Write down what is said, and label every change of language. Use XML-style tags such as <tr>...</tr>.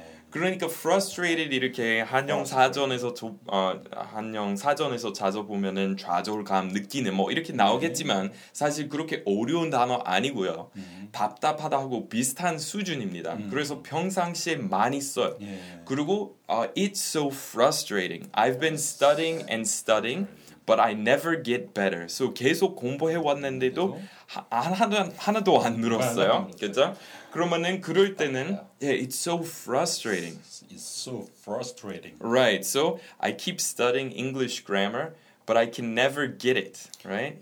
<ko>그러니까 frustrated 이렇게 한영 사전에서 찾아보면은 좌절감 느끼는 뭐 이렇게 나오겠지만 사실 그렇게 어려운 단어 아니고요. 답답하다고 비슷한 수준입니다. 그래서 평상시에 많이 써요. 그리고</ko> <en>it's so frustrating. I've been studying and studying but I never get better.</en> <ko>So 계속 공부해 왔는데도 하나도 안 늘었어요. 그렇죠? 그러면은 그럴 때는</ko> <en>yeah, it's so frustrating. It's so frustrating. Right. So I keep studying English grammar, but I can never get it. Right.</en>